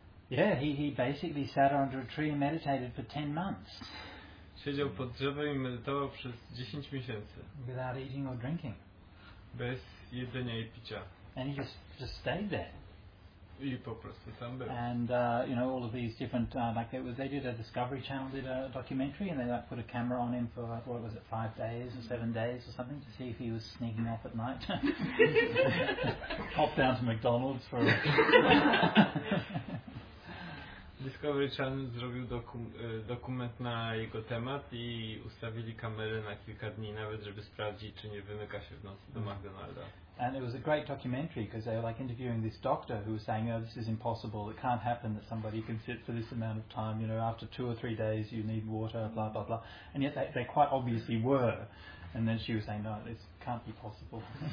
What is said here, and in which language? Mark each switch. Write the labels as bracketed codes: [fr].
[en] Yeah, he basically sat under a tree and meditated for 10 months. [pl] Siedział pod drzewem i medytował przez 10 miesięcy. [en] Without eating or drinking. [pl] Bez jedzenia i picia. [en] And he just stayed there. [pl] I po prostu tam był. [en] And you know, all of these different like it was, they did a Discovery Channel did a documentary and they like put a camera on him for like, what was it, 5 days or 7 days or something to see if he was sneaking off at night. Hop down to McDonald's for a Dis- [pl] Discovery Channel zrobił dokument na jego temat i ustawili kamery na kilka dni nawet, żeby sprawdzić, czy nie wymyka się w nocy do McDonalda. [en] And it was a great documentary because they were like interviewing this doctor who was saying, oh, this is impossible, it can't happen that somebody can sit for this amount of time, you know, after 2 or 3 days you need water, blah, blah, blah. And yet they quite obviously were. And then she was saying, no, this can't be possible.